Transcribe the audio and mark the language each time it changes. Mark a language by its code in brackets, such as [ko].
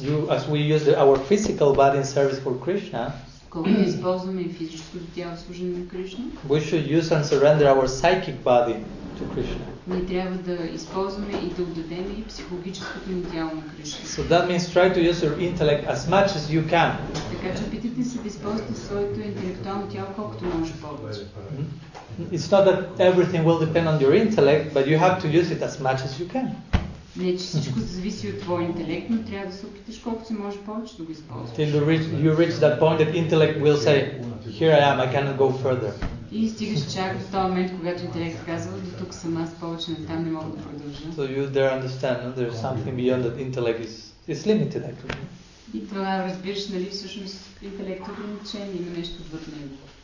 [en] As we use our physical body in service for Krishna, we should use and surrender our psychic body to Krishna. [bg] Ние трябва да използваме и да отдадем и психологическото ни тяло на Кришна. [en] So that means try to use your intellect as much as you can. [bg] Така че опитайте се да използвате своето интелектуално тяло колкото може повече. [en] It's not that everything will depend on your intellect, but you have to use it as much as you can. [bg] Не, че всичко зависи от твой интелект, но трябва да се опиташ колкото се може повече да го използваш. [en] Till you reach that point that intellect will say, here I am, I cannot go further. [bg] И стигаш чак в този момент, когато интелект казва, до тук съм аз, повече на там не мога да продължа. [en] So you there understand, no? There is something beyond that intellect is limited actually. [bg] И това разбираш, нали, всъщност интелект е ограничен, има нещо отвъд него.